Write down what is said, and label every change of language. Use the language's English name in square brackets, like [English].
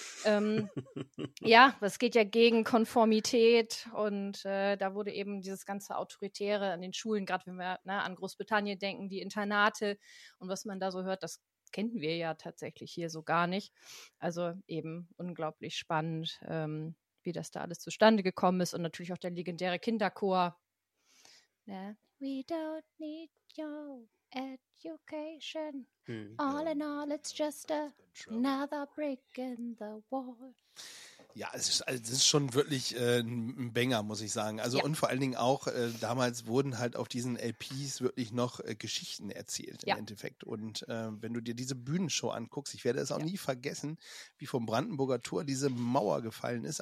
[German] es geht ja gegen Konformität und da wurde eben dieses ganze Autoritäre an den Schulen, gerade wenn wir an Großbritannien denken, die Internate und was man da so hört, das kennen wir ja tatsächlich hier so gar nicht. Also eben unglaublich spannend, wie das da alles zustande gekommen ist und natürlich auch der legendäre Kinderchor. [English] We don't need your education. All in all, it's just another brick in the wall. [German] Ja, es ist schon wirklich ein Banger, muss ich sagen. Also, ja. Und vor allen Dingen auch, damals wurden halt auf diesen LPs wirklich noch Geschichten erzählt im Endeffekt. Und wenn du dir diese Bühnenshow anguckst, ich werde es auch nie vergessen, wie vom Brandenburger Tor diese Mauer gefallen ist.